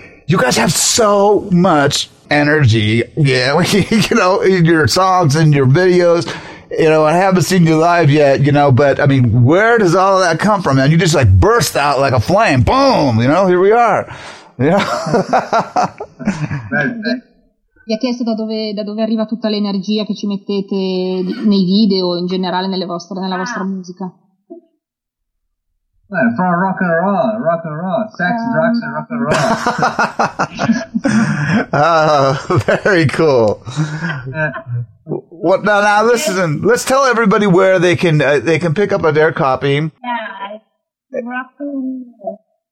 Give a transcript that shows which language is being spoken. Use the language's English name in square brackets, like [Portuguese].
[English] You guys have so much energy, yeah, you know, in your songs and your videos. You know, I haven't seen you live yet, you know, but, I mean, where does all of that come from, man? You just, like, burst out like a flame. Boom! You know, here we are. Yeah. [Italian] Vi ha chiesto da dove arriva tutta l'energia che ci mettete nei video, in generale nella vostra musica. [English] Well, from rock and roll, sex, drugs, and rock and roll. Oh, very cool. What now? Listen, let's tell everybody where they can pick up their copy. Yeah, rock and roll.